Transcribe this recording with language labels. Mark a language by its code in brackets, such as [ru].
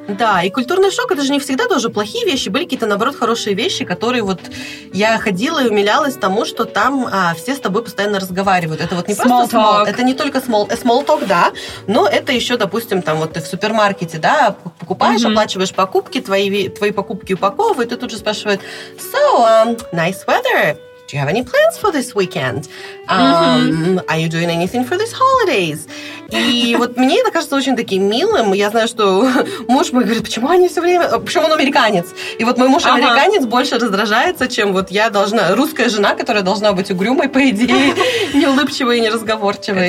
[ru] Да, и культурный шок, это же не всегда тоже плохие вещи. Были какие-то, наоборот, хорошие вещи, которые вот я ходила и умилялась тому, что там все с тобой постоянно разговаривают. Это вот не [en] small [ru] просто [en] talk. [ru] Это не только small talk, да, но это еще, допустим, там вот ты в супермаркете, да, покупаешь, оплачиваешь покупки, твои покупки упаковывают, и тут же спрашивают [en] «So, nice weather». Do you have any plans for this weekend? Are you doing anything for these holidays? [ru] И вот мне это кажется очень таким милым. Я знаю, что муж мой говорит, почему они все время... Почему он американец? И вот мой муж американец больше раздражается, чем вот я должна... Русская жена, которая должна быть угрюмой, по идее, неулыбчивой и неразговорчивой.